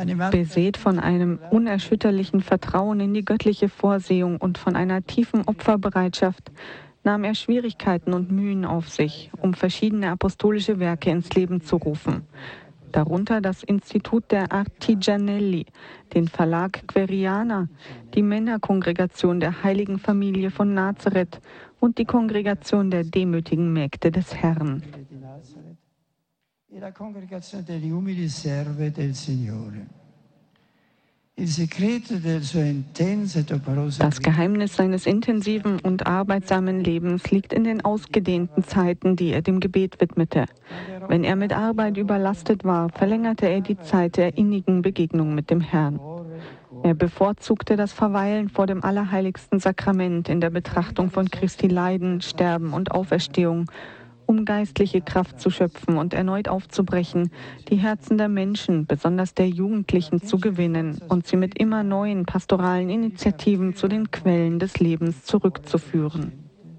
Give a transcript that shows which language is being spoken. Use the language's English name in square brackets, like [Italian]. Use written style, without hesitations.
[German] Beseelt von einem unerschütterlichen Vertrauen in die göttliche Vorsehung und von einer tiefen Opferbereitschaft, nahm er Schwierigkeiten und Mühen auf sich, um verschiedene apostolische Werke ins Leben zu rufen. Darunter das Institut der Artigianelli, den Verlag Queriana, die Männerkongregation der Heiligen Familie von Nazareth und die Kongregation der demütigen Mägde des Herrn. [Italian] E la congregazione degli umili serve del Signore. Il segreto del suo intenso e doloroso. [German] Das Geheimnis seines intensiven und arbeitsamen Lebens liegt in den ausgedehnten Zeiten, die er dem Gebet widmete. Wenn er mit Arbeit überlastet war, verlängerte er die Zeit der innigen Begegnung mit dem Herrn. Er bevorzugte das Verweilen vor dem Allerheiligsten Sakrament in der Betrachtung von Christi Leiden, Sterben und Auferstehung, um geistliche Kraft zu schöpfen und erneut aufzubrechen, die Herzen der Menschen, besonders der Jugendlichen, zu gewinnen und sie mit immer neuen pastoralen Initiativen zu den Quellen des Lebens zurückzuführen.